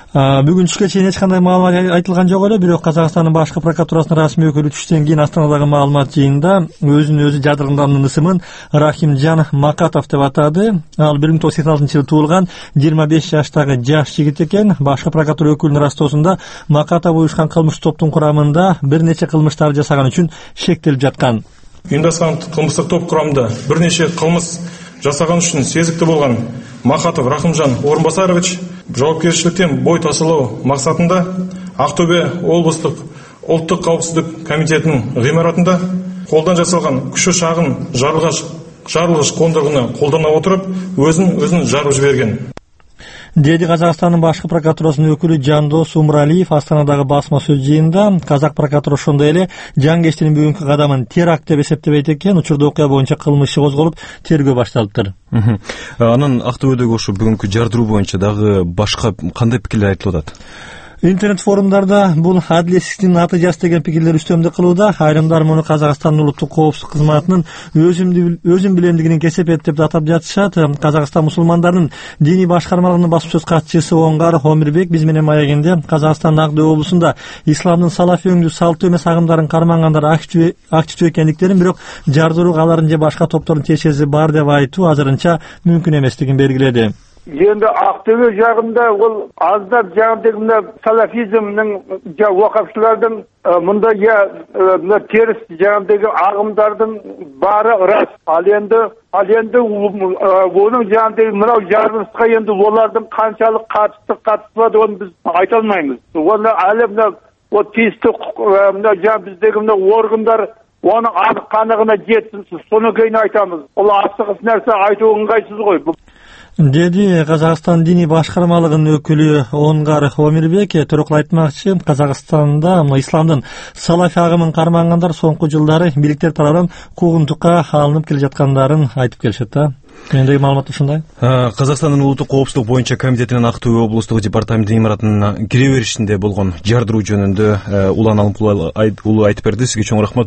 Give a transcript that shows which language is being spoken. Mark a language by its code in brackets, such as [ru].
[ky] Бүгүн түшкө чейин эч кандай маалымат айтылган жок эле, бирок Казакстандын башкы прокуратурасынын расмий өкүлү түштөн кийин Астанадагы маалымат жыйынында өзүн өзү жардыргандын ысымын Рахимжан Макатов деп атады. Ал 1986 жылы туулган 25 жаштагы жаш жигит экен. Башкы прокуратура өкүлүнүн ырастоосунда Макатов уюшкан кылмыштык топтун курамында бир нече кылмыштарды жасаган үчүн шектелип жаткан. [kk] Ұйымдасқан қылмыстық топ құрамында бірнеше қылмыс жасаған үшін сезікті болған Махатов Рахымжан Орынбасарович жауапкершіліктен бой тасалау мақсатында Ақтөбе облыстық ұлттық қауіпсіздік комитетінің ғимаратында қолдан жасалған күші шағын жарылғыш қондырғыны қолдана отырып өзін жарып жіберген. [ky] Деди Казакстандын башкы прокуратурасынын өкүлү Жандос Умралиев Астанадагы басма сөз жыйынында. Казак прокуратура ошондой эле жан кечтинин бүгүнкү кадамын теракт деп эсептебейт экен. Учурда окуя боюнча кылмыш иши козголуп, тергөө башталыптыр. Анын Актоодогу ошо бүгүнкү жардыруу боюнча дагы башка кандай пикирлер айтылып атат? Интернет форумдарда бул адилетсиздиктин натыйжасы деген пикирлер үстөмдүк кылууда. Айрымдар муну Казакстандын улуттук коопсуздук кызматынын өзүн билемдигинин кесепети деп атап жатышат. Казакстан мусулмандарынын диний башкармалыгынын басып сөз катчысы Оңгар Омирбек биз менен маегинде Казакстандын Актоо облусунда исламдын салафи өңдүү салттуу эмес агымдарын кармангандар активдүү экендиктерин, бирок жардыруу алардын же башка топтордун тиешеси бар деп айтуу азырынча мүмкүн эместигин белгиледи. [kk] Енді Ақтөбе жағында ол аздап жаңдегі мына салафизмнің уақапшылардың мында мына теріс жаңдегі ағымдардың бары рас. Ал енді оның жаңдегі мынау жарылысқа енді олардың қаншалық қатыспады оны біз айта алмаймыз. Оны әлі мына ол тиісті мына жаңа біздегі мына органдар оны анық қанығына жетсін, содан кейін айтамыз. Ол асығыс нәрсе айту ыңғайсыз ғой. [ky] Деди Казакстан диний башкармалыгынын өкүлү Оңгар Омирбек. Төрөкул айтмакчы, Казакстанда исламдын салафи агымын кармангандар соңку жылдары бийликтер тарабынан куугунтукка алынып келе жаткандарын айтып келишет да. Мендеги маалымат ушундай. Казакстандын улуттук коопсуздук боюнча комитетинин Актоо облустук департаментинин имаратына кире беришинде болгон жардыруу жөнүндө Улан Алымкулуу айтып берди. Сизге чоң рахмат.